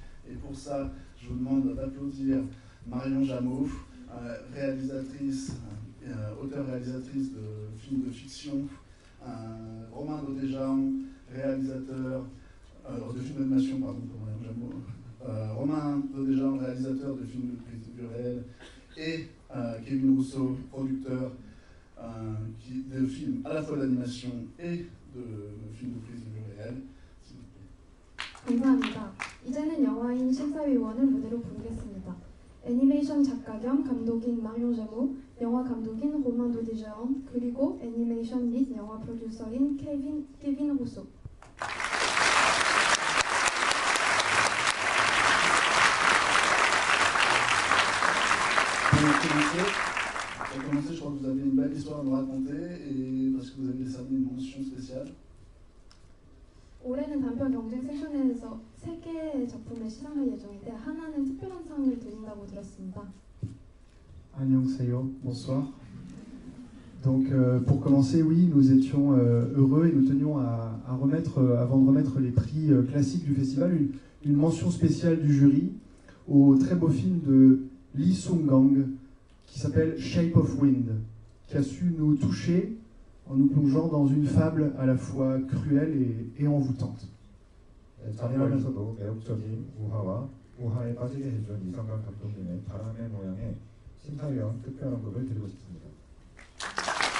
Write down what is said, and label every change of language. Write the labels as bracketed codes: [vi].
[fr] Et pour ça, je vous demande d'applaudir Marion Jameau, réalisatrice, auteure-réalisatrice de films de fiction, Romain Daudéjean, réalisateur de films d'animation, pardon, pour Marion Jameau, Romain Daudéjean, réalisateur de films culturels, et Kevin Rousseau, producteur de films à la fois d'animation et de films de prise de vue réelle, s'il vous plaît. [ko] 감사합니다. 이제는 영화인 심사위원을 무대로 부르겠습니다. 애니메이션 작가 겸 감독인 마리온 자모, 영화 감독인 로만 도디자언, 그리고 애니메이션 및 영화 프로듀서인 케빈 루소. 안녕하세요. [fr] Pour commencer, je crois que vous avez une belle histoire à nous raconter et parce que vous avez décerné une mention spéciale. [ko] 올해는 단편 경쟁 세션에서 세 개의 작품을 시상할 예정인데 하나는 특별한 상을 드린다고 들었습니다. 안녕하세요. [fr] Bonsoir. Donc pour commencer, oui, nous étions heureux et nous tenions à remettre, avant de remettre les prix classiques du festival, une mention spéciale du jury au très beau film de Lee Sung-gang qui s'appelle Shape of Wind, qui a su nous toucher en nous plongeant dans une fable à la fois cruelle et envoûtante. [ko] 작품에서도 매력적인 우화에 빠지게 해준 이성강 감독님의 바람의 모양에 심사위원 특별 언급을 드리고 싶습니다.